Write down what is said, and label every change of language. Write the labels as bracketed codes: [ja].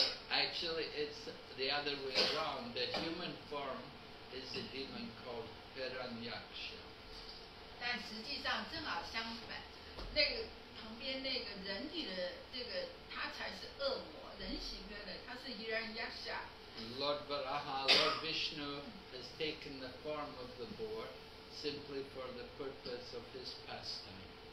[en] Actually, it's the other way around. The human form is a demon called Hiranyaksha. [zh] 但实际上正好相反，那个旁边那个人体的这个，他才是恶魔，人形的，他是Hiranyaksha。 [en] Lord Varaha, Lord Vishnu, has taken the form of the boar simply for the purpose of his pastime.